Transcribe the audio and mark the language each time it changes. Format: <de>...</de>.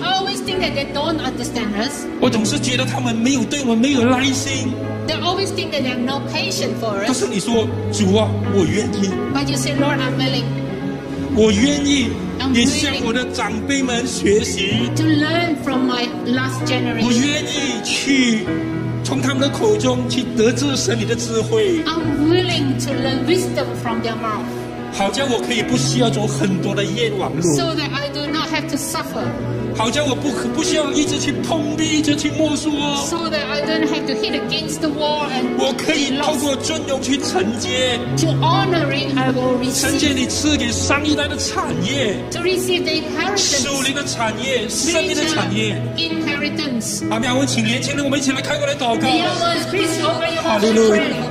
<en>I always think that they don't understand us.</en> <zh>我总是觉得他们没有对我们没有耐心。</zh> <en>They always think that they have no patience for us.</en> <zh>但是你说主啊，我愿意。</zh> <en>But you say, Lord, I'm willing.</en> <zh>我愿意。也向我的长辈们学习。</zh> <en>To learn from my last generation.</en> <zh>我愿意去。从他们的口中去得知神你的智慧。</zh> <en>I'm willing to learn wisdom from their mouth.</en> <zh>好像我可以不需要走很多的冤枉路。</zh> <en>So that I do not have to suffer.</en> <zh>好像我不需要一直去碰壁，一直去摸索。</zh> <en>So that I don't have to hit against the wall and.</en> <zh>我可以透过尊荣去承接。</zh> <en>To honoring, I will receive.</en> <zh>承接你赐给上一代的产业。</zh> <en>To receive the inheritance.</en> <zh>属灵的产业，生命的产业。阿们，我们请年轻人，我们一起来开口来祷告。哈利路亚。</zh>